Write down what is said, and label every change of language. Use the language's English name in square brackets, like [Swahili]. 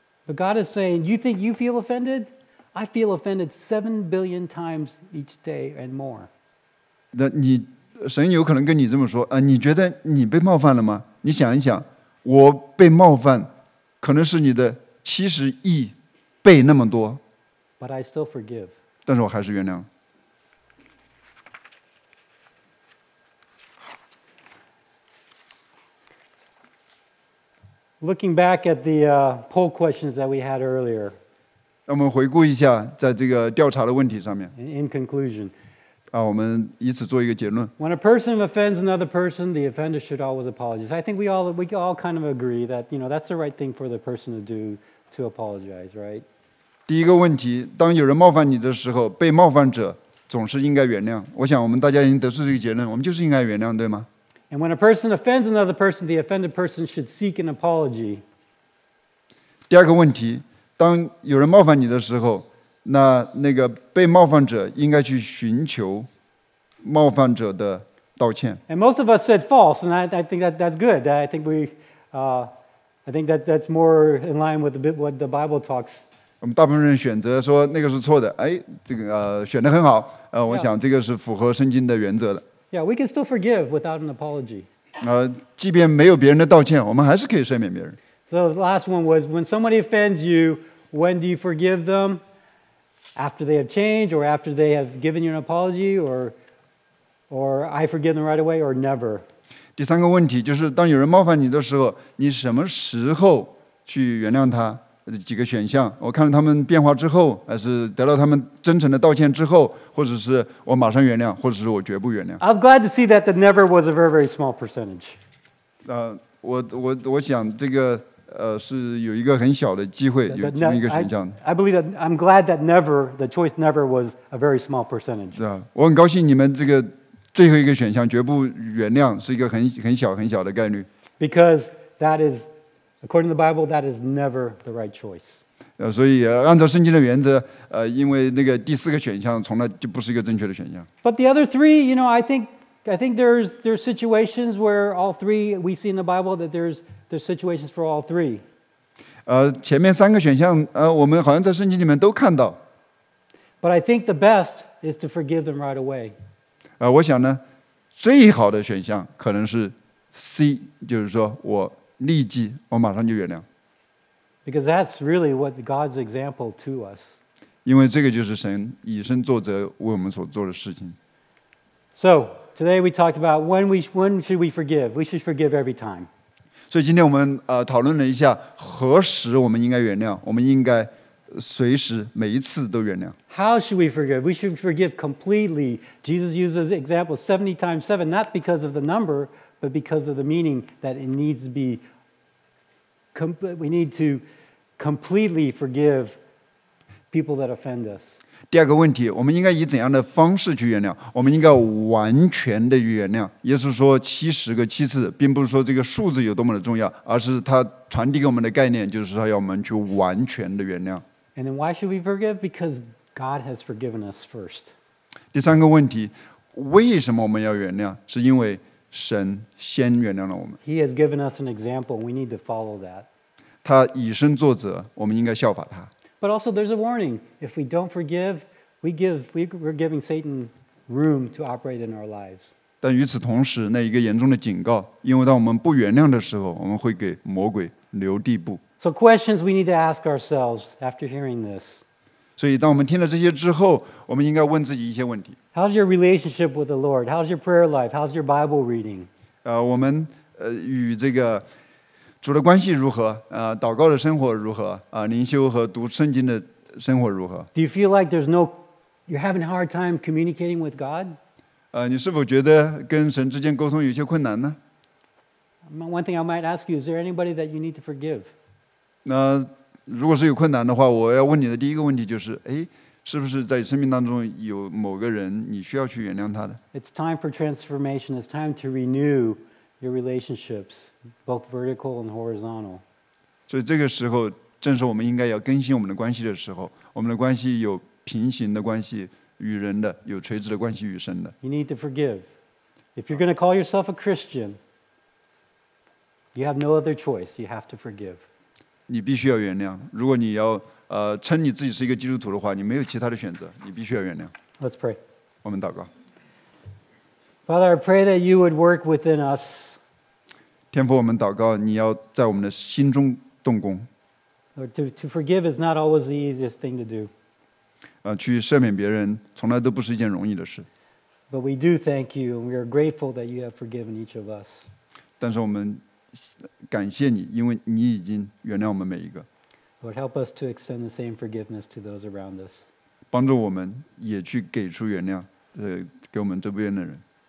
[English] ？But God is saying, "You think you feel offended?" I feel offended 7 billion times each day and more. [Chinese] 那你神有可能跟你这么说啊？你觉得你被冒犯了吗？你想一想，我被冒犯，可能是你的70亿倍那么多。 [English] But I still forgive. [Chinese] 但是我还是原谅。 [English] Looking back at the poll questions that we had earlier. [Chinese] 那我们回顾一下在这个调查的问题上面。 [English] In conclusion. [Chinese] 啊，我们以此做一个结论。 [English] When a person offends another person, the offender should always apologize. I think we all kind of agree that, you know, that's the right thing for the person to do, to apologize, right? [Chinese] 第一个问题，当有人冒犯你的时候，被冒犯者总是应该原谅。我想我们大家已经得出这个结论，我们就是应该原谅，对吗？ [English] And when a person offends another person, the offended person should seek an apology. [Chinese] 第二个问题，当有人冒犯你的时候，那个被冒犯者应该去寻求冒犯者的道歉。 [English] And most of us said false, and I think that's good. I think that's more in line with what the Bible talks. [Chinese] 我们大部分人选择说那个是错的，哎，这个选得很好，我想这个是符合圣经的原则的。 [English] Yeah, we can still forgive without an apology. [Chinese] 即便没有别人的道歉，我们还是可以赦免别人。 [English] So the last one was, when somebody offends you, when do you forgive them? After they have changed, or after they have given you an apology, or I forgive them right away, or never. [Chinese] 第三个问题就是，当有人冒犯你的时候，你什么时候去原谅他？几个选项，我看了他们变化之后，还是得到他们真诚的道歉之后，或者是我马上原谅，或者是我绝不原谅。 [English] I was glad to see that the never was a very, very small percentage. [Chinese] 我想这个是有一个很小的机会，有这么一个选项。 [English] I believe that I'm glad that never, the choice never was a very small percentage. [Chinese] 是啊，我很高兴你们这个最后一个选项绝不原谅是一个很小的概率。 [English] Because that is. According to the Bible, that is never the right choice. [Chinese] 所以按照圣经的原则，因为那个第四个选项从来就不是一个正确的选项。 [English] But the other three, you know, I think there's situations where all three we see in the Bible that there's situations for all three. [Chinese] 前面三个选项，我们好像在圣经里面都看到。 [English] But I think the best is to forgive them right away. [Chinese] 我想呢，最好的选项可能是 C， 就是说我。立即，我马上就原谅。 [English] Because that's really what God's example to us. [Chinese] 因为这个就是神以身作则为我们所做的事情。 [English] So today we talked about when should we forgive? We should forgive every time. [Chinese] 所以今天我们讨论了一下何时我们应该原谅，我们应该随时每一次都原谅。 [English] How should we forgive? We should forgive completely. Jesus uses example 70 times 7, not because of the number. But because of the meaning that it needs to be, we need to completely forgive people that offend us. [Chinese] 第二个问题，我们应该以怎样的方式去原谅？我们应该完全的原谅。耶稣说七十个七次，并不是说这个数字有多么的重要，而是他传递给我们的概念，就是说要我们去完全的原谅。 [English] And then why should we forgive? Because God has forgiven us first. [Chinese] 第三个问题，为什么我们要原谅？是因为神先原谅了我们。 [English] He has given us an example. We need to follow that. [Chinese] 他以身作则，我们应该效法他。 [English] But also, there's a warning. If we don't forgive, we're giving Satan room to operate in our lives. [Chinese] 但与此同时，那一个严重的警告，因为当我们不原谅的时候，我们会给魔鬼留地步。 [English] So questions we need to ask ourselves after hearing this. [Chinese] 所以，当我们听了这些之后，我们应该问自己一些问题。 [English] How's your relationship with the Lord? How's your prayer life? How's your Bible reading? [Chinese] 我们与这个主的关系如何？祷告的生活如何？灵修和读圣经的生活如何 [English] ？Do you feel like there's no, you're having a hard time communicating with God? [Chinese] 你是否觉得跟神之间沟通有些困难呢 [English] ？One thing I might ask you: Is there anybody that you need to forgive? [Chinese] 那如果是有困难的话，我要问你的第一个问题就是，哎。是不是在生命当中有某个人你需要去原谅他的 [English] ？It's time for transformation. It's time to renew your relationships, both vertical and horizontal. [Chinese] 所以这个时候正是我们应该要更新我们的关系的时候。我们的关系有平行的关系与人的，有垂直的关系与神的。 [English] You need to forgive. If you're going to call yourself a Christian, you have no other choice. You have to forgive. [Chinese] 你必须要原谅。如果你要称你自己是一个基督徒的话，你没有其他的选择，你必须要原谅。 [English] Let's pray. [Chinese] 我们祷告。 [English] Father, I pray that you would work within us. [Chinese] 天父，我们祷告，你要在我们的心中动工。 [English] Lord, to forgive is not always the easiest thing to do. [Chinese] 去赦免别人，从来都不是一件容易的事。 [English] But we do thank you, and we are grateful that you have forgiven each of us. [Chinese] 但是我们感谢你，因为你已经原谅我们每一个。 [English] Lord, help us to extend the same forgiveness to those around us. [Chinese] 帮助我们也去给出原谅，给我们这边的人。